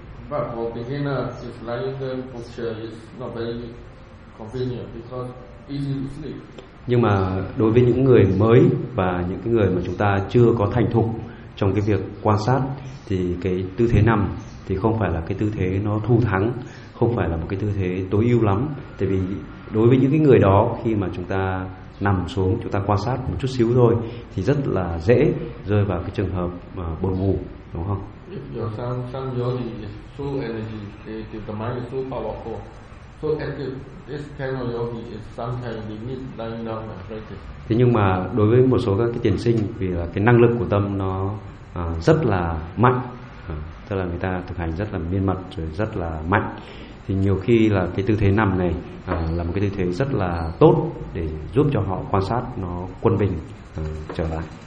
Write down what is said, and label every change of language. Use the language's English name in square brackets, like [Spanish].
[English] But for beginners, if lying down posture is not very convenient because easy to sleep. [Vietnamese] Nhưng mà đối với những người mới và những cái người mà chúng ta chưa có thành thục trong cái việc quan sát thì cái tư thế nằm thì không phải là cái tư thế nó thu thắng, không phải là một cái tư thế tối ưu lắm. Tại vì đối với những cái người đó, khi mà chúng ta nằm xuống, chúng ta quan sát một chút xíu thôi thì rất là dễ rơi vào cái trường hợp buồn ngủ, đúng không? [English] If your son yogi is so energy, the mind is so powerful, so active, this kind of yogi is sometimes we need lying down and practice. [Vietnamese] Thế nhưng mà đối với một số các cái tiền sinh, vì là cái năng lực của tâm nó rất là mạnh, tức là người ta thực hành rất là miên mật rồi rất là mạnh, thì nhiều khi là cái tư thế nằm này là một cái tư thế rất là tốt để giúp cho họ quan sát nó quân bình trở lại.